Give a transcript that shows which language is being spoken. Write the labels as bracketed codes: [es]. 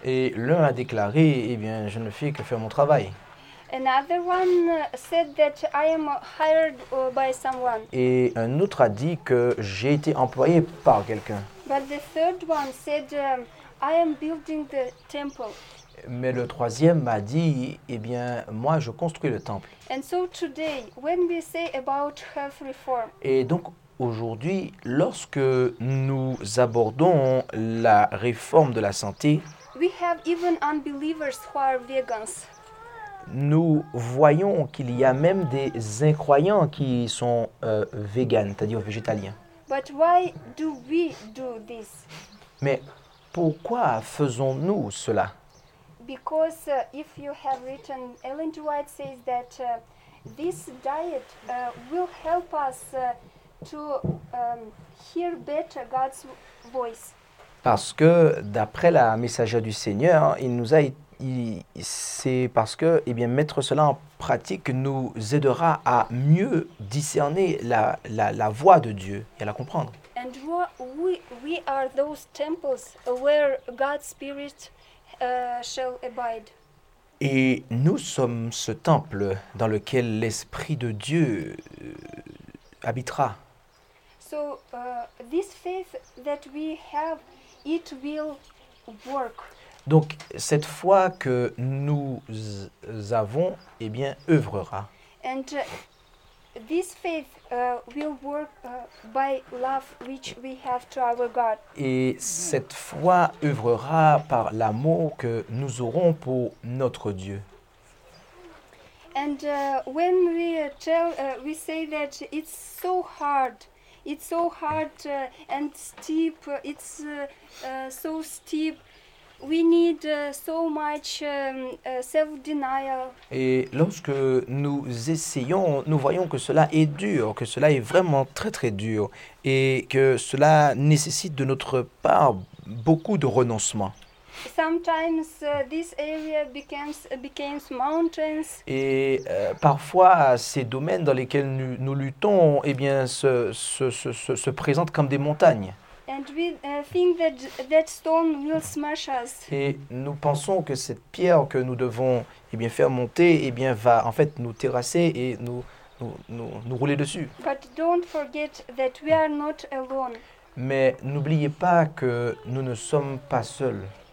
[fr] Et l'un a déclaré je ne fais que faire mon travail. [en] Another one said that I am hired by someone. [fr] Et un autre a dit que j'ai été employé par quelqu'un. [en] But the third one said I am building the temple. [fr] Mais le troisième m'a dit moi je construis le temple. [en] And so today when we say about health reform. [fr] Et donc aujourd'hui lorsque nous abordons la réforme de la santé, [en] we have even unbelievers who are vegans. [fr] Nous voyons qu'il y a même des incroyants qui sont vegan, c'est-à-dire végétaliens. [en] But why do we do this? [fr] Mais pourquoi faisons-nous cela? [en] Because if you have written, Ellen White says that this diet will help us to hear better God's voice. [fr] Parce que d'après la messagère du Seigneur, c'est parce que mettre cela en pratique nous aidera à mieux discerner la voix de Dieu et à la comprendre. [en] And we are those temples where God's Spirit shall abide. [fr] Et nous sommes ce temple dans lequel l'Esprit de Dieu habitera. [en] So this faith that we have, it will work. [fr] Donc, cette foi que nous avons, œuvrera. [en] And this faith will work by love which we have to our God. [fr] Et cette foi œuvrera par l'amour que nous aurons pour notre Dieu. [en] And when we tell, we say that it's so hard. It's so hard and steep. It's so steep. We need so much self-denial. [fr] Et lorsque nous essayons, nous voyons que cela est dur, que cela est vraiment très très dur, et que cela nécessite de notre part beaucoup de renoncement. [en] Sometimes this area becomes mountains. [fr] Et parfois ces domaines dans lesquels nous luttons, se présentent comme des montagnes. [en] And we think that stone will smash us. [fr] Et nous pensons que cette pierre que nous devons faire monter va en fait nous terrasser et nous rouler dessus. [en] But don't forget that we are not alone. [fr] Mais n'oubliez pas que nous ne sommes pas seuls.